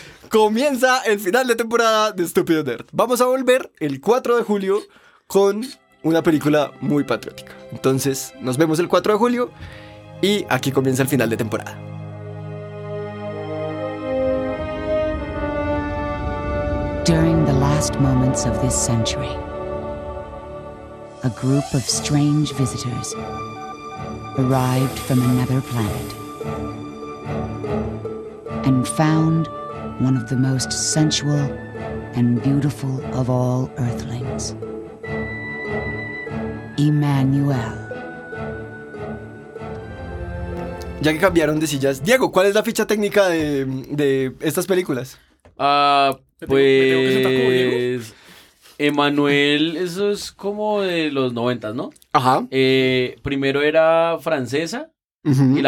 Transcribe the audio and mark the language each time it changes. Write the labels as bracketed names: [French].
[Spanish] Comienza el final de temporada de Estúpido Nerd. Vamos a volver el 4 de julio con una película muy patriótica. Entonces, nos vemos el 4 de julio. Y aquí comienza el final de temporada. [English] During the last moments of this century, a group of strange visitors arrived from another planet and found one of the most sensual and beautiful of all Earthlings, Emmanuel. [Spanish] Ya que cambiaron de sillas, Diego, ¿cuál es la ficha técnica de estas películas? Pues... Emmanuel, eso es como de los 90, ¿no? Ajá. Primero era francesa, uh-huh.